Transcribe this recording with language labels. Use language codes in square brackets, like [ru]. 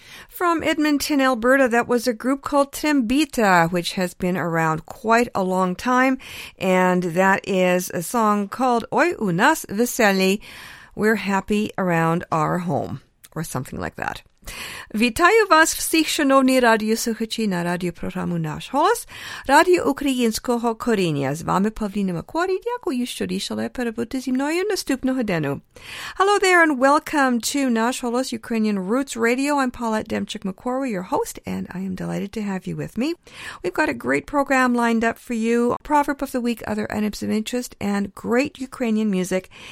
[en] From Edmonton, Alberta, that was a group called Trembita, which has been around quite a long time, and that is a song called Oi Unas Veseli, We're Happy Around Our Home, or something like that. [uk] Вітаю вас всіх, шановні радіослухачі, на радіопрограму «Наш голос» Радіо Українського коріння. З вами Павліна Макуарі. Дякую, що рішили перебути зі мною наступного дню. [en] Hello there and welcome to «Наш голос» Ukrainian Roots Radio. I'm Paulette Demchuk-Makori, your host, and I am delighted to have you with me. We've got a great program lined up for you. Proverb of the Week, Other Items of Interest, and great Ukrainian music.